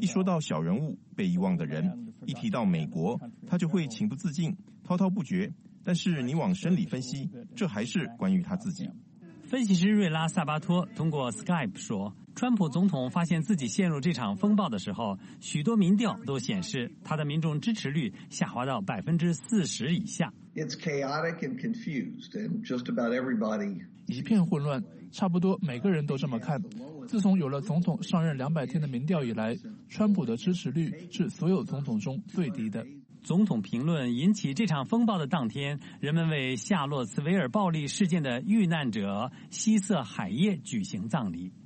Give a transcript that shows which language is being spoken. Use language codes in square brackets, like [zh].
[zh] 一说到小人物、被遗忘的人，一提到美国，他就会情不自禁、滔滔不绝。但是你往深里分析，这还是关于他自己。分析师瑞拉·萨巴托通过 Skype 说，川普总统发现自己陷入这场风暴的时候，许多民调都显示他的民众支持率下滑到40%以下。 [en] It's chaotic and confused, and just about everybody. [zh] 一片混乱，差不多每个人都这么看。自从有了总统上任200天的民调以来，川普的支持率是所有总统中最低的。总统评论引起这场风暴的当天，人们为夏洛茨维尔暴力事件的遇难者希瑟·海耶举行葬礼。